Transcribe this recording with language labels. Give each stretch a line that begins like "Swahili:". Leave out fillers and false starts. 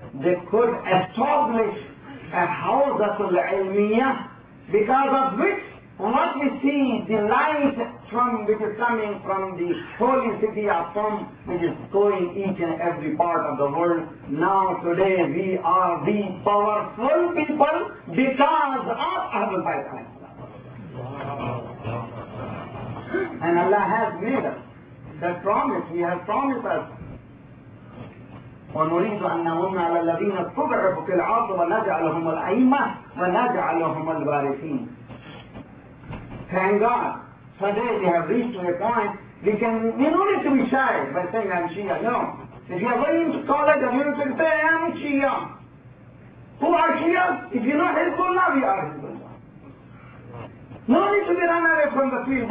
English: They could establish a Hawzatul Ilmiyyah, because of which what we see the light from which is coming from the holy city of Qom, which is going each and every part of the world. Now today we are the powerful people because of Ahlul Bayt. And Allah has made us that promise. He has promised us.
Arabic: ونريد أن نمن على الذين استضعفوا في الأرض ونجعلهم الأئمة ونجعلهم الوارثين.
English: Thank God. Today we have reached to a point we can, we don't need to be shy by saying I'm Shia. No. If you are going to college, you need to say I am Shia. Who are Shia? If you know Hezbollah, we are Hezbollah. No need to be run away from the field.